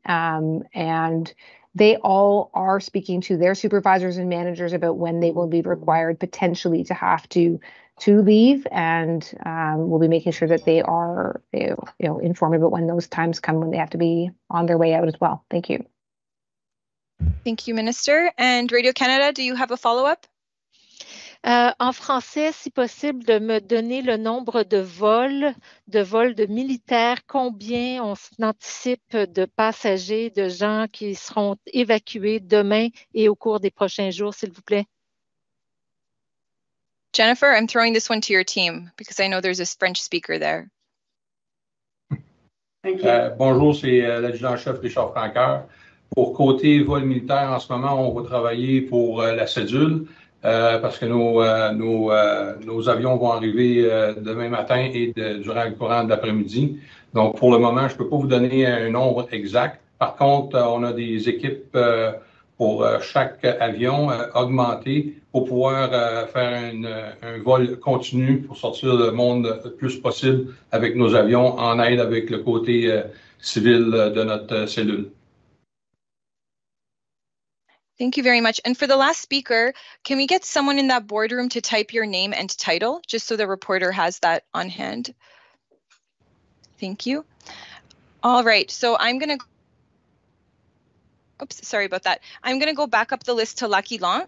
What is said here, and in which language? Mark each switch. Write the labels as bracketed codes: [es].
[en] And they all are speaking to their supervisors and managers about when they will be required potentially to have to leave. And we'll be making sure that they are, you know, informed about when those times come when they have to be on their way out as well. Thank you. Thank you, Minister. And Radio Canada, do you have a follow-up? [fr] En français, si possible, de me donner le nombre de vols de militaires, combien on anticipe de passagers, de gens qui seront évacués demain et au cours des prochains jours, s'il vous plaît. [en] Jennifer, I'm throwing this one to your team because I know there's a French speaker there. Thank you. [fr] Bonjour, c'est l'adjudant-chef Richard Francoeur. Pour côté vol militaire, en ce moment, on va travailler pour la cédule parce que nos avions vont arriver demain matin et durant le courant de l'après-midi. Donc, pour le moment, je ne peux pas vous donner un nombre exact. Par contre, on a des équipes pour chaque avion augmenté pour pouvoir faire un vol continu pour sortir le monde le plus possible avec nos avions en aide avec le côté civil de notre cellule. [en] Thank you very much. And for the last speaker, can we get someone in that boardroom to type your name and title just so the reporter has that on hand? Thank you. All right, so I'm going to I'm going to go back up the list to Lucky Long.